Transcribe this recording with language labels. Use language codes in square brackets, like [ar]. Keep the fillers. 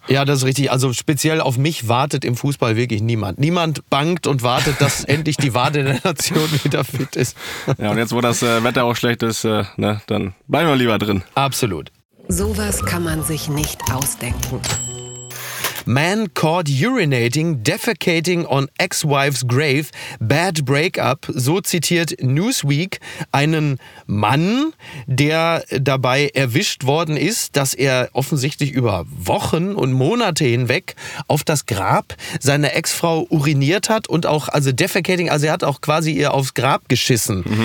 [de] Ja, das ist richtig. Also speziell auf mich wartet im Fußball wirklich niemand. Niemand bangt und wartet, dass endlich die Wade der Nation wieder fit ist. Ja, und jetzt, wo das äh, Wetter auch schlecht ist, äh, ne, dann bleiben wir lieber drin. Absolut. Sowas kann man sich nicht ausdenken. [en] Man caught urinating, defecating on ex-wife's grave, bad breakup. [de] So zitiert Newsweek einen Mann, der dabei erwischt worden ist, dass er offensichtlich über Wochen und Monate hinweg auf das Grab seiner Ex-Frau uriniert hat und auch, also defecating, also er hat auch quasi ihr aufs Grab geschissen.